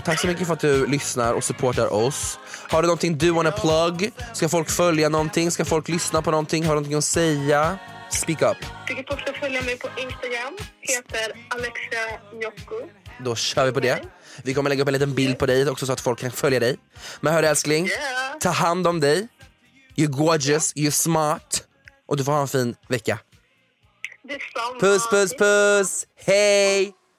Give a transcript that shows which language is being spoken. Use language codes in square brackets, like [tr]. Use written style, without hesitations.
[sv] Tack så mycket för att du lyssnar och supportar oss. Har du någonting du [en] wanna plug? [sv] Ska folk följa någonting? Ska folk lyssna på någonting? Har du någonting att säga? [en] Speak up. [sv] Tycker folk ska följa mig på Instagram. Heter Alexia Njoku. Då kör vi på det. Vi kommer lägga upp en liten bild på dig också, så att folk kan följa dig. Men hörru älskling, ta hand om dig. [en] You're gorgeous, you're smart. [sv] Och du får ha en fin vecka. Puss, puss, puss. Hej.